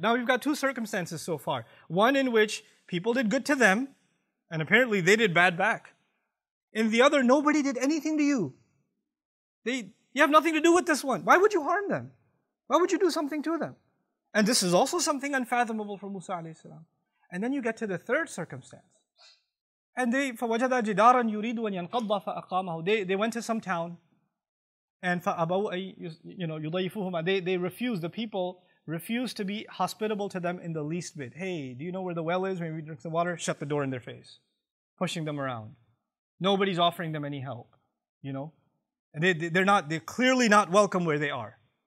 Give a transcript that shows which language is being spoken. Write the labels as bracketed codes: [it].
[en] Now, we've got two circumstances so far. One in which people did good to them, and apparently they did bad back. In the other, nobody did anything to you. You have nothing to do with this one. Why would you harm them? Why would you do something to them? And this is also something unfathomable for Musa alayhi salam. And then you get to the third circumstance. And they, [ar] فَوَجَدَ جِدَارًا يُرِيدُ أَنْ يَنْقَضَّ فَأَقَامَهُ. [en] They went to some town. And [ar] فَأَبَوْا أَيْ, [en] you know, [ar] يُضَيْفُهُمَا. [en] They refused, the people refused to be hospitable to them in the least bit. Hey, do you know where the well is? Maybe we drink some water? Shut the door in their face. Pushing them around. Nobody's offering them any help. You know? And they're clearly not welcome where they are.